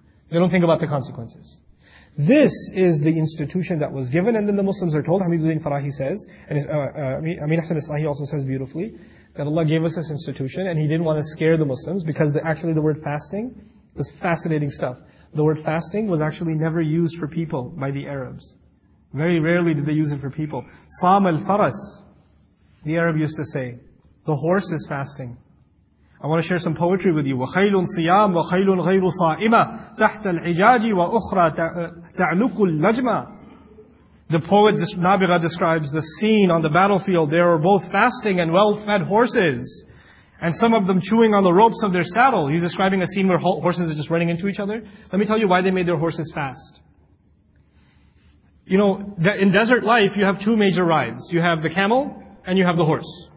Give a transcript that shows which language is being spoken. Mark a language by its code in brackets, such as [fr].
[en] They don't think about the consequences. This is the institution that was given, and then the Muslims are told, Hamiduddin Farahi says, and Amin Hassan Islahi also says beautifully, that Allah gave us this institution, and He didn't want to scare the Muslims, because actually the word fasting is fascinating stuff. the word fasting was actually never used for people by the Arabs. Very rarely did they use it for people. Sam al-Faras, the Arab used to say, the horse is fasting. I want to share some poetry with you. [ar] وَخَيْلٌ صِيَامٌ وَخَيْلٌ غَيْرُ صَائِمَةٌ تَحْتَ الْعِجَاجِ وَأُخْرَى تَعْنُقُ الْلَجْمَةِ. [en] The poet Nabigha describes the scene on the battlefield. There are both fasting and well-fed horses, and some of them chewing on the ropes of their saddle. He's describing a scene where horses are just running into each other. Let me tell you why they made their horses fast. You know, in desert life, you have two major rides. You have the camel, and you have the horse.